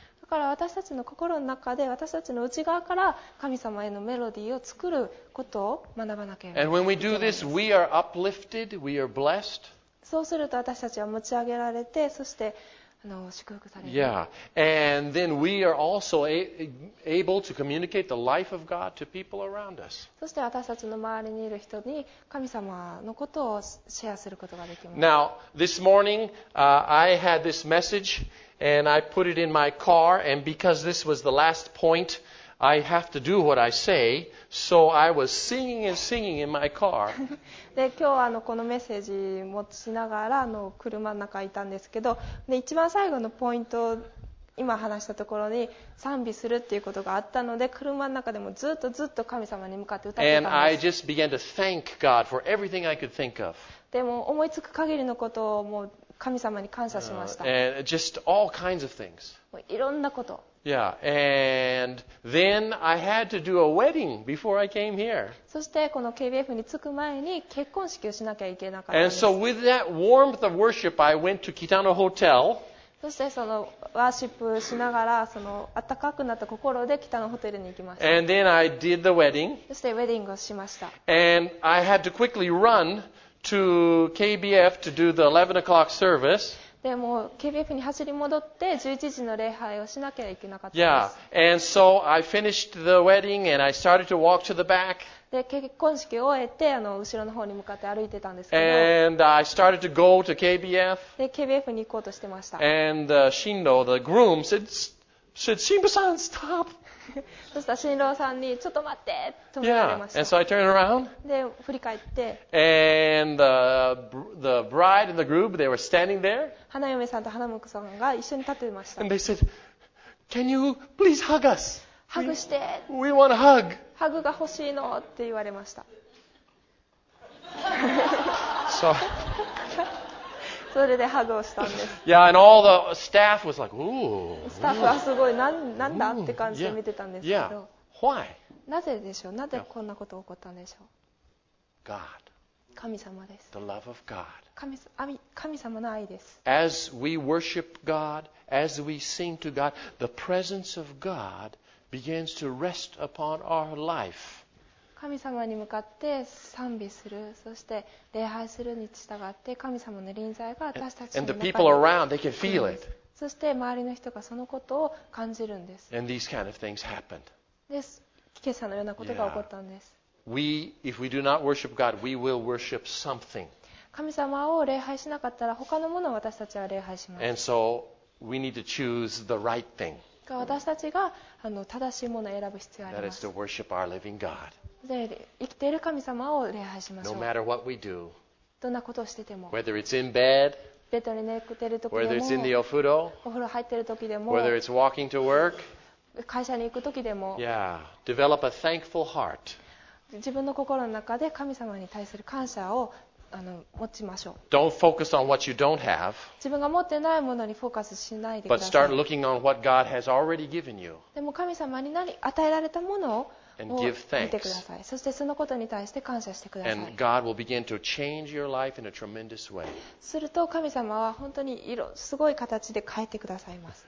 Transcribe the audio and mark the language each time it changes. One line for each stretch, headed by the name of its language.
Japanese: から私たちの心の中で私たちの内側から神様へのメロディーを作ることを学ばなければいけないんです。
English: And when we do this, we are uplifted, we are blessed.
Japanese: そうすると私たちは持ち上げられて、そして祝福される。
English: Yeah, and then we are also able to communicate the life of God to people around us.
Japanese: そして私たちの周りにいる人に神様のことをシェアすることができます。
English: Now, this morning, I had this message and I put it in my car, and because this was the last point, I have to do what I say, so I was singing and singing in my car.
Japanese: で、今日このメッセージ持ちながら車の中にいたんですけど、で、一番最後のポイント今話したところに賛美するっていうことがあったので、車の中でもずっとずっと神様に向かって歌ってたんです。
English: And I just began to thank God for everything I could think of.
Japanese: でも思いつく限りのことをもう神様に感謝しました。
English: And just all kinds of things.
Japanese: もういろんなこと。
English: Yeah, and then I had to do a wedding before I came here.
Japanese: そしてこの KBF に着く前に結婚式をしなきゃいけなかったんです。
English: And so with that warmth of worship, I went to Kitano Hotel.
Japanese: そしてそのワーシップしながら、その暖かくなった心で Kitano Hotelに行きました。
English: And then I did the wedding.
Japanese: そしてウェディングをしました。
English: And I had to quickly run to KBF to do the 11 o'clock service.
Japanese: でも KBF に走り戻って11時の礼拝をしなきゃいけなかったです。
English: Yeah, and so I finished the wedding and I started to walk to the back.
Japanese: で、結婚式を終えて後ろの方に向かって歩いてたんですけど。
English: And I started to go to KBF.
Japanese: で、KBF に行こうとしてました。
English: And the Shindo, the groom, said, Shinbu-san, stop!
Japanese: そしたら新郎さんにちょっと待ってと言われました。
English: Yeah, and so I turned around.
Japanese: で、振り返って。
English: And the bride and the groom, they were standing there.
Japanese: 花嫁さんと花婿さんが一緒に立っていました。
English: And they said, Can you please hug us?
Japanese: ハグして。
English: We want a hug.
Japanese: ハグが欲しいのって言われました。
English: So...
Japanese: それでハグをしたんです。
English: Yeah, and all the staff was like, ooh.
Japanese: スタッフはすごい、なんだって感じで見てたんですけど。
English: Yeah, why?
Japanese: なぜでしょう、なぜこんなこと起こったんでしょう。
English: God.
Japanese: 神様です。
English: The love of God.
Japanese: 神様の愛です。
English: As we worship God, as we sing to God, the presence of God begins to rest upon our life.
Japanese: 神様に向かって賛美する、そして礼拝するに従って、神様の臨在が私たちの中に、
English: and the people around, they can feel it.
Japanese: そして周りの人がそのことを感じるんです。
English: and these kind of things happened.
Japanese: です、今朝のようなことが起こったんです。
English: We, if we do not worship God, we will worship something.
Japanese: 神様を礼拝しなかったら他のものを私たちは礼拝します。
English: and so we need to choose the right thing.
Japanese: 私たちが正しいものを選ぶ必要があります。
English: that is to worship our living God.
Japanese: で、生きている神様を礼拝しましょう。
English: No matter what we do,
Japanese: どんなことをしてても、
English: whether it's in bed,
Japanese: ベッドに寝てる時でも、
English: whether it's in the お風呂、
Japanese: お風呂入ってる時でも、
English: whether it's walking to work,
Japanese: 会社に行く時でも、
English: yeah, develop a thankful heart.
Japanese: 自分の心の中で神様に対する感謝を持ちましょう。
English: Don't focus on what you don't have,
Japanese: 自分が持ってないものにフォーカスしないでください。
English: But start looking on what God has already given you.
Japanese: でも神様に何与えられたものを
English: And give thanks.
Japanese: 見てください。そしてそのことに対して感謝してください。
English: And God will begin to change your life in a tremendous way.
Japanese: すると神様は本当にすごい形で変えてくださいます。